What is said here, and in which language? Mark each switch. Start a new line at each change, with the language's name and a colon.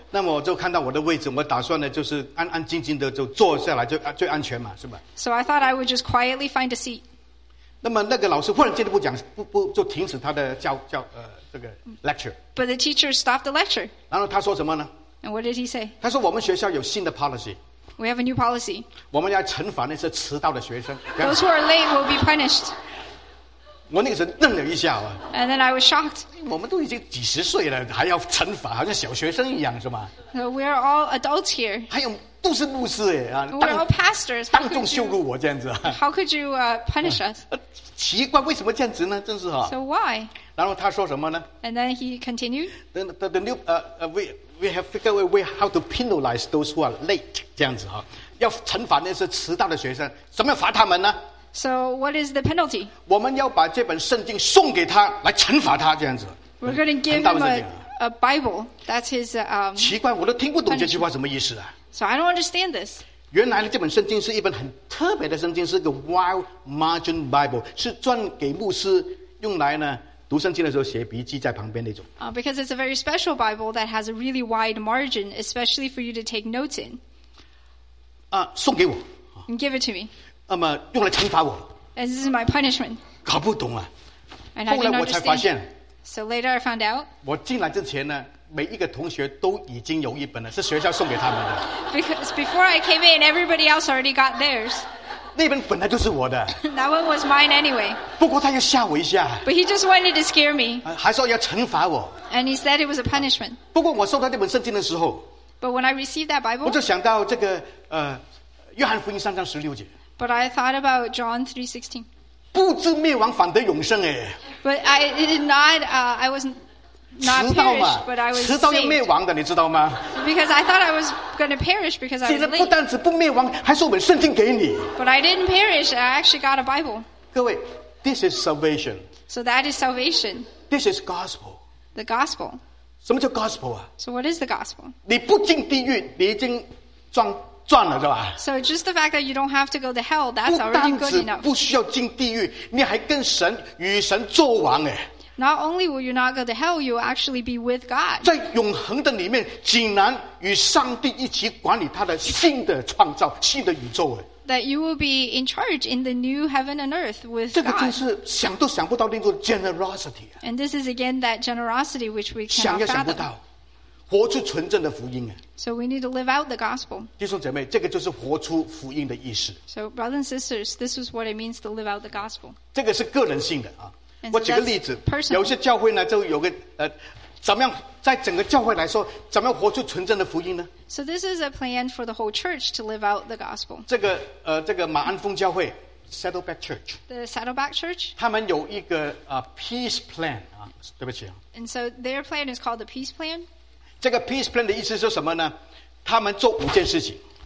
Chinese: 那么我就看到我的位置，我打算呢就是安安静静的就坐下来，就最安全嘛，是吧
English: ？So I thought I would just quietly find a seat.
Chinese: 那么那个老师忽然间不讲，不就停止他的教这个 lecture.
English: But the teacher stopped the lecture.
Chinese: 然后他说什么呢
English: ？And what did he say?
Chinese: 他说我们学校有新的 policy.
English: We have a new policy.
Chinese: 我们要惩罚那些迟到的学生。
English: Those who are late will be punished.
Chinese: 我那个时候愣了一下啊
English: ！And then I was shocked.
Chinese: 我们都已经几十岁了，还要惩罚，好像小学生一样，是吗
English: ？So we are all adults here.
Chinese: 还有都是牧师哎啊
English: ！We are all pastors.
Chinese: 当众羞辱我这样子
English: ？How could you punish us？
Chinese: 奇怪，为什么这样子呢？真是哈
English: ！So why？
Chinese: 然后他说什么呢
English: ？And then he continued. The new we have figured out a way how to penalize those who are late.
Chinese: 这样子哈，要惩罚那些迟到的学生，怎么罚他们呢？
English: So what is the penalty?
Chinese: 我们要把这本圣经送给他，来惩罚他这样子。
English: We're going to give him a Bible. That's his.
Chinese: 奇怪，我都听不懂这句话什么意思啊。
English: So I don't understand this.
Chinese: 原来这本圣经是一本很特别的圣经，是个
English: wide margin Bible，
Chinese: 是专给牧师用来呢读圣经的时候写笔记在旁边那种。
English: Because it's a very special Bible that has a really wide margin, especially for you to take notes in.
Chinese: 送给我。
English: And give it to me.
Chinese: 那么用来惩罚我。
English: And this is my punishment.
Chinese: 搞不懂啊。
English: And I didn't understand.
Chinese: 后来我才发现。
English: So later I found out.
Chinese: 我进来之前呢，每一个同学都已经有一本了，是学校送给他们的。
English: Because before I came in, everybody else already got theirs.
Chinese: 那本本来就是我的。
English: That one was mine anyway.
Chinese: 不过他要吓我一下。
English: But he just wanted to scare me.
Chinese: 还说要惩罚我。
English: And he said it was a punishment.
Chinese: 不过我收到这本圣经的时候。
English: But when I received that Bible.
Chinese: 我就想到这个约翰福音三章十六节。
English: But I thought about John 3:16.
Chinese: 不知灭亡反得永生哎。
English: But I did not. I was not perished, but I was saved.
Chinese: 迟到要灭亡的，你知道吗
English: ？Because I thought I was going to perish because I was late.
Chinese: 现在不但是不灭亡，还是我们圣经给你。
English: But I didn't perish. I actually got a Bible.
Chinese: 各位
English: ，this is salvation. So that is salvation. This is gospel. The gospel.
Chinese: 什么叫 gospel 啊
English: ？So what is the gospel?
Chinese: 你不进地狱，你已经撞。赚了是吧
English: ？So just the fact that you don't have to go to hell, that's already good enough.
Chinese: 不但是不需要进地狱，你还跟神与神作王哎。
English: Not only will you not go to hell, you'll actually be with God.
Chinese: 在永恒的里面，竟然与上帝一起管理他的新的创造、新的宇宙哎。
English: That you will be in charge in the new heaven and earth with God.
Chinese: 这个就是想都想不到那种 generosity.
English: And this is again that generosity which we cannot
Chinese: 想也想不到。活出纯正的福音啊
English: ！So we need to live out the gospel.
Chinese: 弟兄姐妹，这个就是活出福音的意思。
English: So brothers and sisters, this is what it means to live out the gospel.
Chinese: 这个是个人性的啊。
English: So、
Chinese: 我举个例子，
English: personal.
Chinese: 有些教会呢，就有个怎么样在整个教会来说，怎么样活出纯正的福音呢
English: ？So this is a plan for the whole church to live out the gospel.
Chinese: 这个马鞍峰教会 Saddleback Church，
English: the Saddleback Church，
Chinese: 他们有一个peace plan 啊，对不起啊。
English: And so their plan is called the peace plan.
Chinese: 这个 peace plan 的意思是什么呢？他们做五件事情。